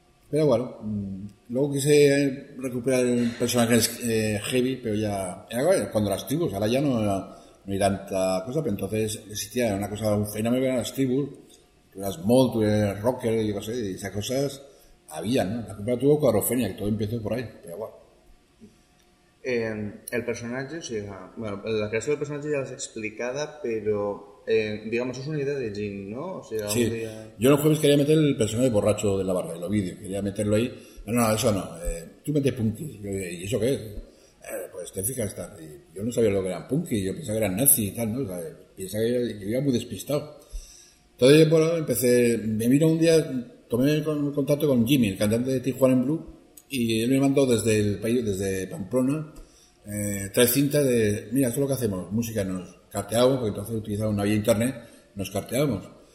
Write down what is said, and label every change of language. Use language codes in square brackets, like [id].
[es] Pero bueno, luego quise recuperar el personaje heavy, pero ya era cuando las tribus, ahora ya no hay tanta cosa, pero entonces existía una cosa, un fenómeno en las tribus, tú eras mod, tú eras rocker y cosas, y esas cosas había, ¿no? La Ocupa tuvo Cuadrofenia, que todo empezó por ahí, pero bueno. [ca] El personatge, o sigui, bueno, la creació del personatge ja l'has explicada, però, digamos, és una idea de Jim, no? O sigui, sí, dia... [es] jo el jueves quería meter el personatge borracho de la barra, el Ovidio, quería meterlo ahí, no, eso no, tú metes punkis, ¿y eso qué es? Pues te fijas, tal. Y yo no sabía lo que eran punkis, yo pensaba que eran nazis y tal, ¿no? O sea, pensaba que yo iba muy despistado. Entonces, bueno, empecé, me vino un día, tomé contacto con Jimmy, el cantante de Tijuana en Blue, y él me mandó desde el país, desde Pamplona, tres cintas de, mira, esto es lo que hacemos, música, nos carteábamos, porque entonces utilizaba una vía internet, nos carteábamos.